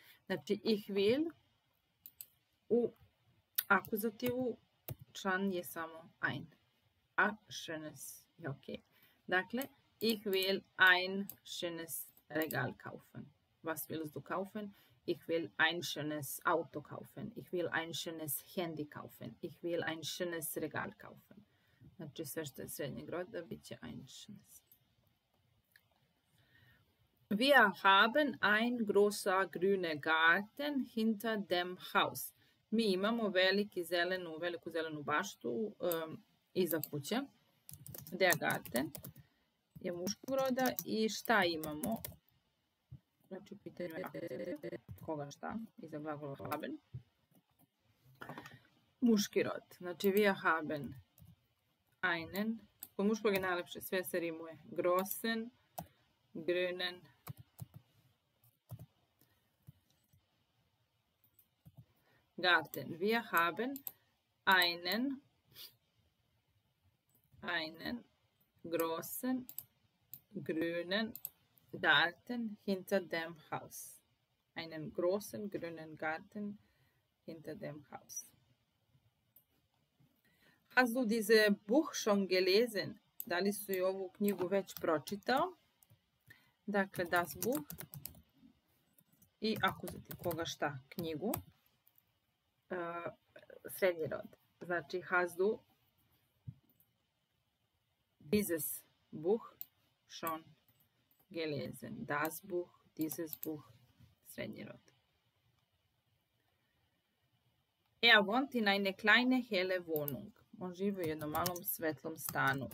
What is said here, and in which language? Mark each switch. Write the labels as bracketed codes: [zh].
[sr] Znači ich will u akuzativu član je samo ein. A schönes je ok. Dakle, [de] ich will ein schönes Regal kaufen. Was willst du kaufen? Ich will ein schönes Auto kaufen. Ich will ein schönes Handy kaufen. Ich will ein schönes Regal kaufen. [sr] Znači sve što je srednjeg roda bit će [de] ein schönes. Wir haben ein großer grüner Garten hinter dem Haus. [sr] Mi imamo veliku zelenu baštu iza kuće. Der Garten je muškog roda. I šta imamo? Znači, pitanje koga šta iza glagola haben. Muški rod. Znači, [de] wir haben einen. [sr] Kod muškog je najlepše. Sve se rimuje. [de] Großen, grünen. Garten. Wir haben einen großen grünen Garten hinter dem Haus. Einen großen grünen Garten hinter dem Haus. Hast du diese Buch schon gelesen? [sr] Da li su i ovu knjigu već pročitao? Dakle, das Buch. I akuzativ koga šta knjigu. Srednji rod. Znači, [de] hast du dieses Buch schon gelesen? Das Buch, dieses Buch, [sr] srednji rod. [de] Er wohnt in eine kleine helle Wohnung. [sr] On živi u jednom malom svetlom stanu.